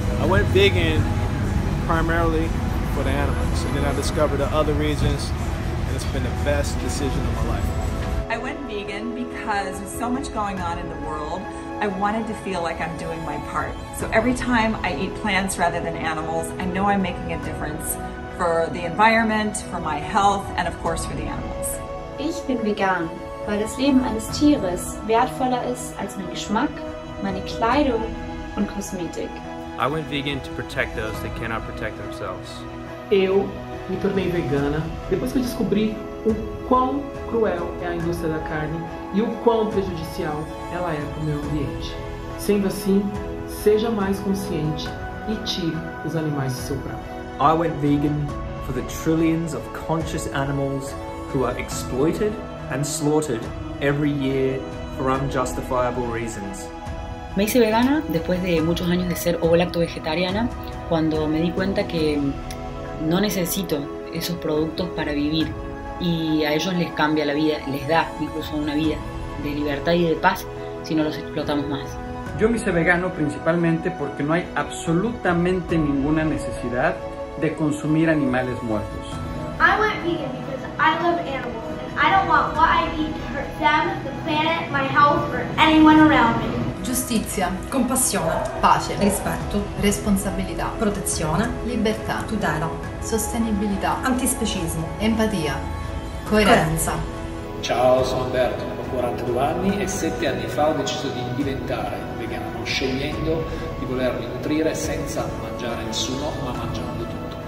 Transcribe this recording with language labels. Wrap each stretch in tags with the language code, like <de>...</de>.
<en>I went vegan primarily for the animals, and then I discovered the other reasons, and it's been the best decision of my life. I went vegan because with so much going on in the world, I wanted to feel like I'm doing my part. So every time I eat plants rather than animals, I know I'm making a difference for the environment, for my health, and of course for the animals.</en> <de>Ich bin vegan, weil das Leben eines Tieres wertvoller ist als mein Geschmack, meine Kleidung und Kosmetik.</de> <en>I went vegan to protect those that cannot protect themselves.</en> <pt>Eu me tornei vegana depois que eu descobri o quão cruel é a indústria da carne e o quão prejudicial ela é para o meio ambiente. Sendo assim, seja mais consciente e tire os animais do seu prato.</pt> <en>I went vegan for the trillions of conscious animals who are exploited and slaughtered every year for unjustifiable reasons.</en> <es>Me hice vegana después de muchos años de ser ovo-lacto vegetariana, cuando me di cuenta que no necesito esos productos para vivir y a ellos les cambia la vida, les da incluso una vida de libertad y de paz si no los explotamos más. Yo me hice vegano principalmente porque no hay absolutamente ninguna necesidad de consumir animales muertos.</es> <en>I went vegan because I love animals. I don't want what I eat to hurt them, the planet, my health, or anyone around me.</en> <it>Giustizia, compassione, pace, rispetto, responsabilità, protezione, libertà, tutela, sostenibilità, antispecismo, empatia, coerenza. Ciao, sono Alberto, ho 42 anni e 7 anni fa ho deciso di diventare vegano, scegliendo di volermi nutrire senza mangiare nessuno, ma mangiando tutto.</it>